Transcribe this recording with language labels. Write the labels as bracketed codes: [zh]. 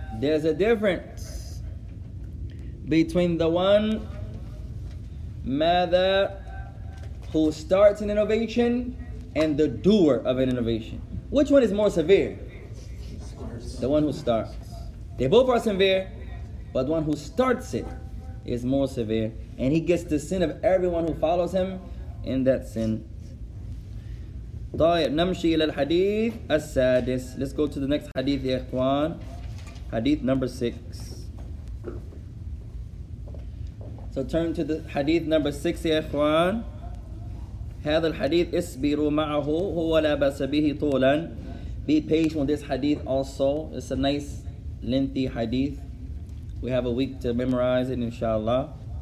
[en] There's a difference between the one [ar] ماذا [en] who starts an innovation and the doer of an innovation. Which one is more severe? The one who starts. They both are severe, but the one who starts it is more severe, and he gets the sin of everyone who follows him in that sin. [ar] طيب, نمشي إلى الحديث السادس. [en] Let's go to the next hadith, يا إخوان. Hadith number six. So turn to the hadith number six, يا إخوان. [ar] هذا الحديث اسبروا معه هو لا بأس به طولا. [en] Be patient with this hadith also. It's a nice, lengthy hadith. We have a week to memorize it, inshallah.